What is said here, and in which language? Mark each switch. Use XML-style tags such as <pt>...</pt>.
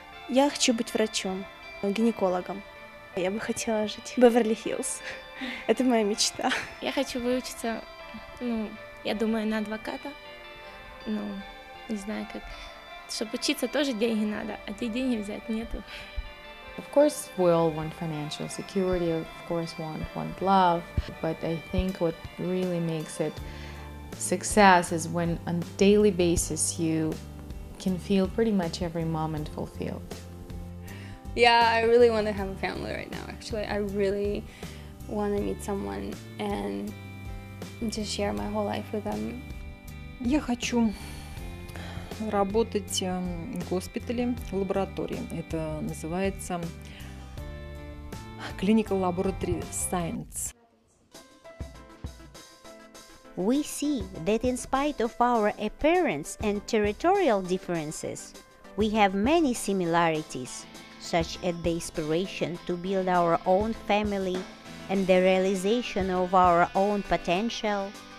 <ru>Я хочу быть врачом, гинекологом. Я бы хотела жить в Беверли-Хиллз. Это моя мечта. Я хочу выучиться, ну, я думаю, на адвоката. Ну, не знаю как. Чтобы учиться, тоже деньги надо, а ты деньги взять нету.</ru> <en>Of course, we all want financial security, of course, want love, but I think what really makes it success is when on a daily basis you can feel pretty much every moment fulfilled. Yeah, I really want to have a family right now, actually. I really want to meet someone and just share my whole life with them.</en> <ru>Я хочу работать в госпитале, в лаборатории. Это называется Clinical Laboratory Science.</ru> <en>We see that in spite of our appearance and territorial differences, we have many similarities, such as the inspiration to build our own family and the realization of our own potential.</en>